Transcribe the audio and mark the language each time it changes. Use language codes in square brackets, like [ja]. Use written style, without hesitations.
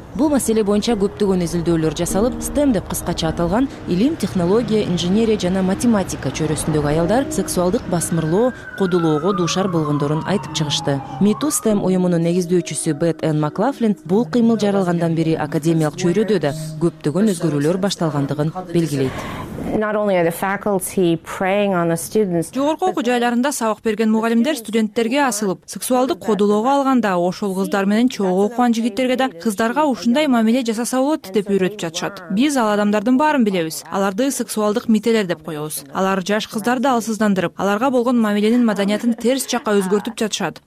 [ky] Бул маселе боюнча көптөгөн изилдөөлөр жасалып, STEM деп кыскача аталган илим, технология, инженерия жана математика чөйрөсүндөгү аялдар сексуалдык басмырлоо, кодулоого дуушар болгондорун айтып чыгышты. Митуу STEM уюмунун негиздөөчүсү Бет Энн Маклафлин бул кыймыл жаралгандан бери академиялык чөйрөдө да көптөгөн өзгөрүүлөр башталгандыгын белгилейт. [en] Not only are the faculty preying on the students. [ky] Жогорку окуу жайларында сабак берген мугалимдер студенттерге асылып, сексуалдык кодулоого алганда ошол кыздар менен чогуу окуган жигиттерге да кыздарга ушундай мамиле жасаса болот деп үйрөтүп жатышат. Биз ал адамдардын баарын билебиз. Аларды сексуалдык мителер деп коебуз. Алар жаш кыздарды алсыздандырып, аларга болгон мамиленин маданиятын терс жакка өзгөртүп жатышат.